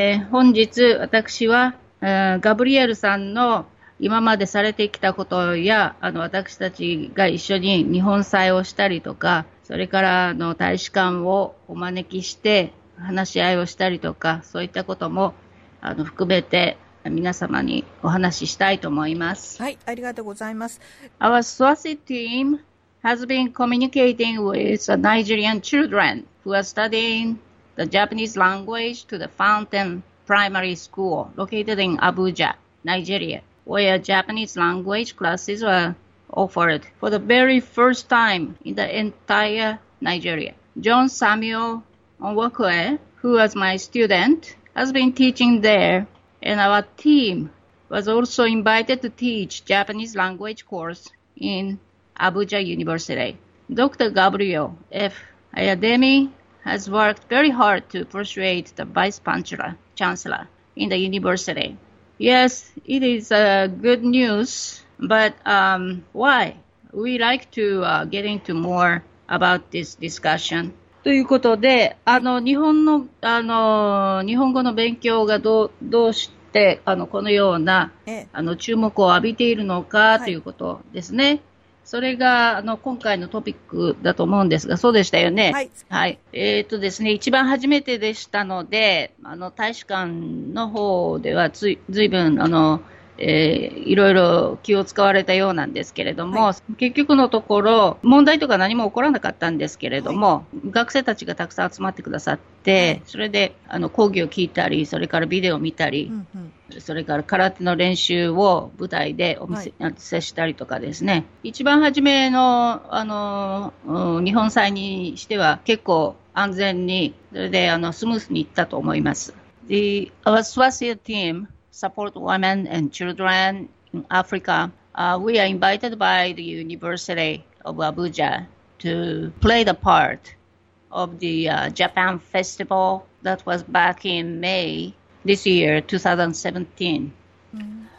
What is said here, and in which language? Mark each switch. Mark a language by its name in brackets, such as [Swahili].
[Japanese] 本日私は、ガブリエルさんの今までされてきたことや、私たちが一緒に日本祭をしたりとか、それから大使館をお招きして話し合いをしたりとか、そういったことも含めて皆様にお話ししたいと思います。はい、ありがとうございます。 [English] Our Swazi team has been communicating with Nigerian children who are studying the Japanese language to the Fountain Primary School located in Abuja, Nigeria, where Japanese language classes were offered for the very first time in the entire Nigeria. John Samuel Onwokoe, who was my student, has been teaching thereAnd our team was also invited to teach Japanese language course in Abuja University. Dr. Gabriel F. Ayademi has worked very hard to persuade the vice chancellor in the university. Yes, it is good news, but why? We like to get into more about this discussion. [Japanese] ということで、日本語の勉強がどうして、このような、注目を浴びているのか、はい、ということですね。それが、今回のトピックだと思うんですが、そうでしたよね。はい。はい。ですね、一番初めてでしたので、大使館の方では随分、いろいろ気を使われたようなんですけれども、はい、結局のところ問題とか何も起こらなかったんですけれども、はい、学生たちがたくさん集まってくださって、はい、それで講義を聞いたり、それからビデオを見たり、うんうん、それから空手の練習を舞台でお見せ、はい、したりとかですね、一番初め日本祭にしては結構安全に、それでスムースにいったと思います。 [English] The our Swazi teamSupport women and children in Africa. We are invited by the University of Abuja to play the part of the Japan Festival that was back in May this year, 2017. Mm-hmm.